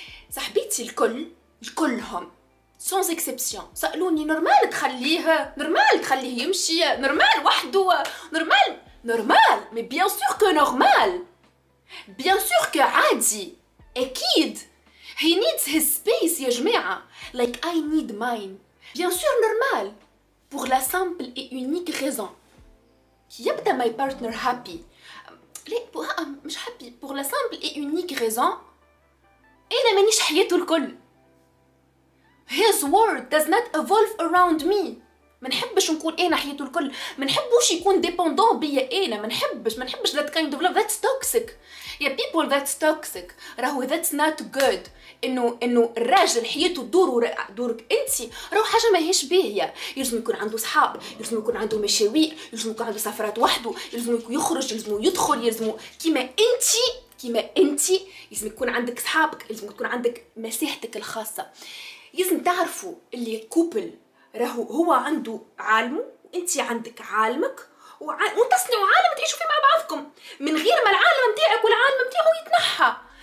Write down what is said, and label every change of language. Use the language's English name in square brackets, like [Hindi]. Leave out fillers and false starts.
[Arabic] صاحبتي الكل كلهم [French] سون اكسبسيون سالوني [Arabic] نورمال تخليه، نورمال تخليه يمشي، نورمال وحده، نورمال نورمال، [French] مي بيان سور كو نورمال، [Arabic] بيان سور كو عادي، اكيد [English] he needs his space [Arabic] يا جماعة، [English] like I need mine. [French] bien sûr normal pour la simple et unique raison [Arabic] يبدأ [English] my partner happy. [Arabic] ليه مش [English] happy [French] pour la simple et unique raison [Arabic] أنا مانيش حياته الكل. [English] his world does not evolve around me. [Arabic] منحبش نكون أنا حياته الكل، منحبوش يكون [English] dependent [Arabic] بيا أنا، منحبش [English] that kind of love. that's toxic. yeah people that's toxic. [Arabic] راهو [English] that's not good. [Arabic] انه الراجل حياته تدور دورك انت، راهو حاجه ماهيش باهيه. يلزم يكون عنده صحاب، يلزم يكون عنده مشاوير، يلزم يكون عنده سفرات وحده، يلزم يكون يخرج، يلزم يدخل، يلزم كيما انت يلزم يكون عندك صحابك، يلزم يكون عندك مساحتك الخاصه. يلزم تعرفوا اللي كوبل راهو هو عنده عالمه وانت عندك عالمك، وتصنعوا عالم تعيشوا فيه مع بعضكم من غير ما العالم نتاعك والعالم نتاعو يتنحى.